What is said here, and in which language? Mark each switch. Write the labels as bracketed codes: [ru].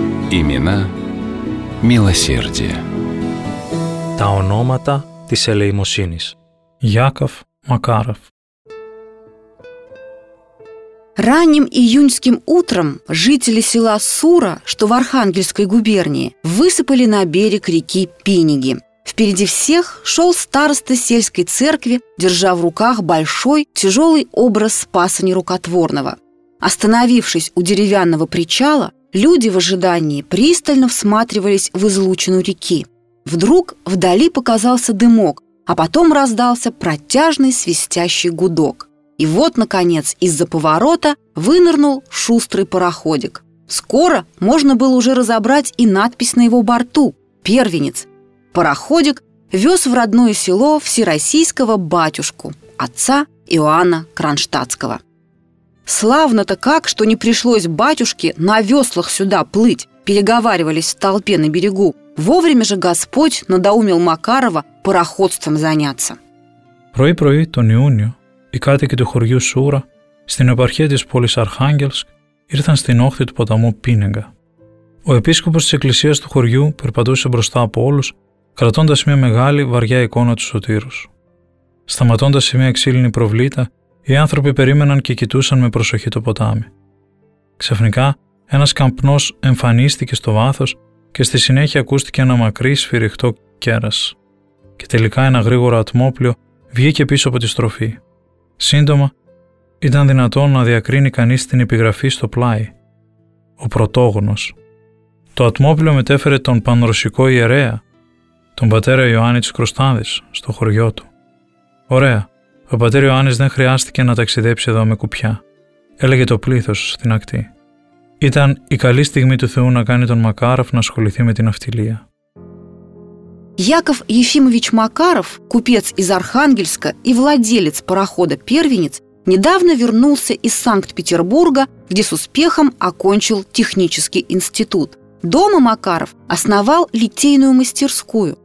[ru] Имена милосердия. [el] Τα ονόματα της ελεημοσύνης. [ru] Яков Макаров. Ранним июньским утром жители села Сура, что в Архангельской губернии, высыпали на берег реки Пиниги. Впереди всех шел староста сельской церкви, держа в руках большой тяжелый образ Спаса Нерукотворного. Остановившись у деревянного причала, люди в ожидании пристально всматривались в излучину реки. Вдруг вдали показался дымок, а потом раздался протяжный свистящий гудок. И вот, наконец, из-за поворота вынырнул шустрый пароходик. Скоро можно было уже разобрать и надпись на его борту – «Первенец». Пароходик вез в родное село всероссийского батюшку, отца Иоанна Кронштадтского. «Славно-то как, что не пришлось батюшке на веслах сюда плыть!» – переговаривались в толпе на берегу. Вовремя же Господь надоумил Макарова пароходством заняться. [el] Прой-прой, тон июня. Οι κάτοικοι του χωριού Σούρα, στην επαρχία της πόλης Αρχάγγελσκ, ήρθαν στην όχθη του ποταμού Πίνεγκα. Ο επίσκοπος της εκκλησίας του χωριού περπατούσε μπροστά από όλους, κρατώντας μια μεγάλη, βαριά εικόνα του Σωτήρου. Σταματώντας σε μια ξύλινη προβλήτα, οι άνθρωποι περίμεναν και κοιτούσαν με προσοχή το ποτάμι. Ξαφνικά, ένας καπνός εμφανίστηκε στο βάθος και στη συνέχεια ακούστηκε ένα μακρύ, σφυριχτό κέρας. Και τελικά ένα γρήγορο ατμόπλιο βγήκε πίσω από τη στροφή. Σύντομα, ήταν δυνατόν να διακρίνει κανείς την επιγραφή στο πλάι. Ο πρωτόγονος. Το ατμόπλιο μετέφερε τον πανρωσικό ιερέα, τον πατέρα Ιωάννη της Κροστάδης, στο χωριό του. Ωραία, ο πατέρα Ιωάννης δεν χρειάστηκε να ταξιδέψει εδώ με κουπιά, έλεγε το πλήθος στην ακτή. Ήταν η καλή στιγμή του Θεού να κάνει τον Μακάροφ να ασχοληθεί με την ναυτιλία. [ru] Яков Ефимович Макаров, купец из Архангельска и владелец парохода «Первенец», недавно вернулся из Санкт-Петербурга, где с успехом окончил технический институт. Дома Макаров основал литейную мастерскую.